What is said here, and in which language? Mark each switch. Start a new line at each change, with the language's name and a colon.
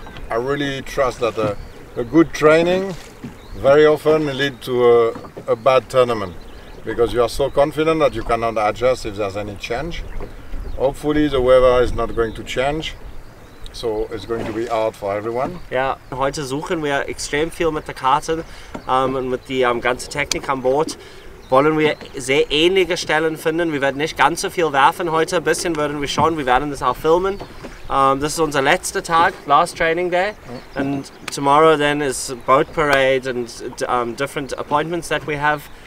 English: I really trust that a good training very often lead to a bad tournament, because you are so confident that you cannot adjust if there's any change. Hopefully the weather is not going to change, so it's going to be hard for everyone.
German: Ja, heute suchen wir extrem viel mit der Karte und mit der ganzen Technik am Boot. Wollen wir sehr ähnliche Stellen finden. Wir werden nicht ganz so viel werfen heute. Ein bisschen würden wir schon, wir werden das auch filmen. Das ist unser letzter Tag,
English: last training day. And tomorrow then is boat parade and different appointments that we have.